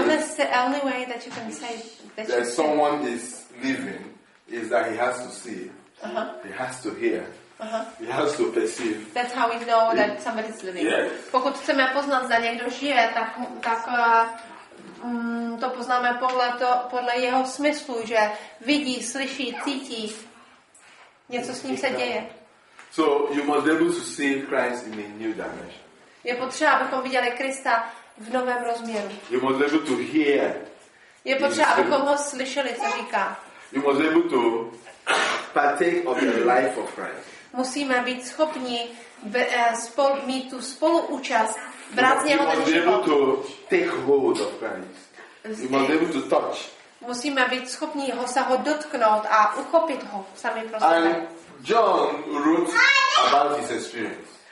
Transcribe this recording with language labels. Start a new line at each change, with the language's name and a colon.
English: And that's the only way that you can say that someone is living is that he has to see, he has to hear, he has to perceive. That's how we know that somebody is living. Yes.
Czech: Pokud chceme poznat, zda někdo žije, tak to poznáme podle jeho smyslu, že vidí, slyší, cítí, něco s ním se děje.
English: So you must be able to see Christ in a new dimension.
Czech: Je potřeba, abychom viděli Krista v novém rozměru.
English: You must be able to hear.
Czech: Je potřeba, abychom ho slyšeli, co říká.
English: You must be able to partake of the life of Christ.
Czech: Musíme být schopni mít tu spoluúčast, brát z něho ten život.
English: You must be able to take hold of Christ. You must be able to touch.
Czech: Musíme být schopni ho se ho dotknout a uchopit ho sami pro sebe.
English: And John wrote about his experience.